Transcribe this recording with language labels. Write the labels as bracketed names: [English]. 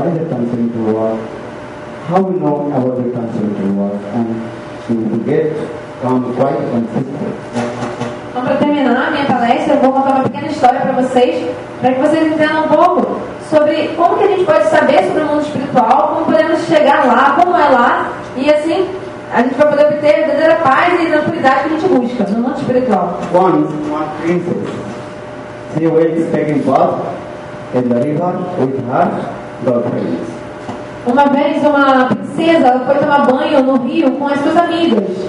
[English] How we know about the transcendental world and to get calm, quiet and peaceful. [Portuguese] Então, para terminar a minha palestra, eu vou contar uma pequena história para vocês, para que vocês entendam um pouco sobre como que a gente pode saber sobre o mundo espiritual, como podemos chegar lá, como é lá, e assim a gente vai poder obter a verdadeira paz e tranquilidade que a gente busca no mundo espiritual. Uma princesa, [English] she was taking bath in the river with her girlfriends. [Portuguese] Uma vez, uma princesa foi tomar banho no rio com as suas amigas.